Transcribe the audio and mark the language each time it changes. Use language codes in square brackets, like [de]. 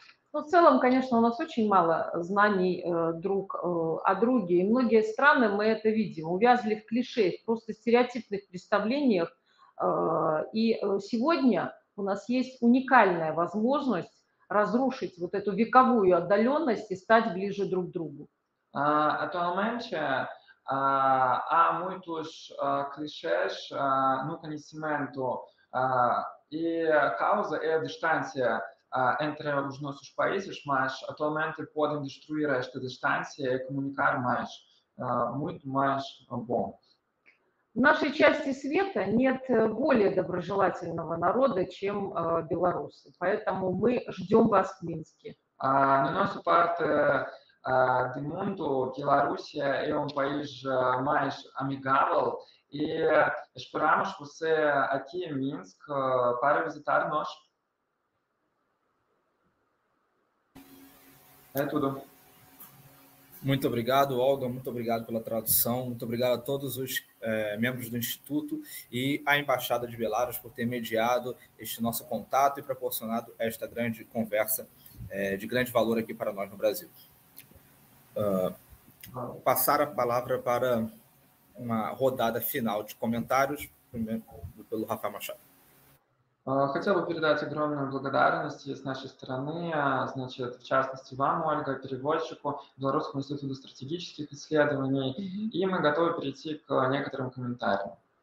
[ru] Ну, в целом, конечно, у нас очень мало знаний друг о друге. И многие страны, мы это видим, увязли в клише, в просто стереотипных представлениях. И сегодня у нас есть уникальная возможность разрушить вот эту вековую отдаленность и стать ближе друг к другу. [pt] Atualmente, há muitos clichés no conhecimento e a causa é a distância entre os nossos países, mas atualmente podem destruir esta distância e comunicar mais, muito mais bom. [ru] В нашей части света нет более доброжелательного народа, чем белорусы. Поэтому мы ждем вас в Минске. [pt] На нашу парту до мунду Белоруссия е он país mais amigável e esperamos você aqui em Minsk para visitar nós. É tudo. Muito obrigado, Olga. Muito obrigado pela tradução. Muito obrigado a todos os membros do Instituto e à Embaixada de Belarus por ter mediado este nosso contato e proporcionado esta grande conversa de grande valor aqui para nós no Brasil. Passar a palavra para uma rodada final de comentários, primeiro pelo Rafael Machado. [ru] Хотел бы передать огромную благодарность с нашей стороны, значит, в частности вам, Ольга, переводчику Белорусского института стратегических исследований, и мы готовы перейти к некоторым комментариям.